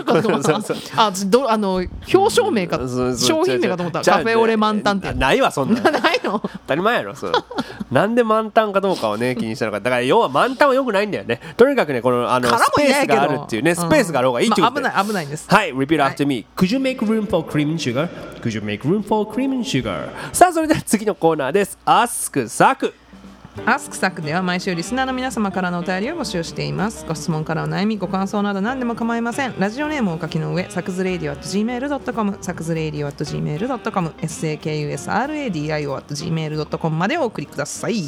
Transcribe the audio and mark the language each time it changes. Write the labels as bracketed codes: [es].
[ja] あ、そうそうそう、あ、あの表彰名か、うん、商品名かと思ったらカフェオレ満タンってないわそんな。ないの？当たり前やろ。そう。なんで満タンかどうかをね気にしたのか。だから要は満タンは良くないんだよね。とにかくねこのあのスペースがあるっていうね、スペースがある方がいいっていうことで、うん、まあ、危ないです。 [en] はい、repeat after me. Could you make room for cream and sugar? Could you make room for cream and sugar? [ja] さあそれ次のコーナーです。 Ask サク。 Ask サクでは毎週リスナーの皆様からのお便りを募集しています。ご質問からお悩みご感想など何でも構いません。ラジオネームをお書きの上サクズレイディオ @gmail.com サクズレイディオ @gmail.com SAKUSRADIO @gmail.com までお送りください。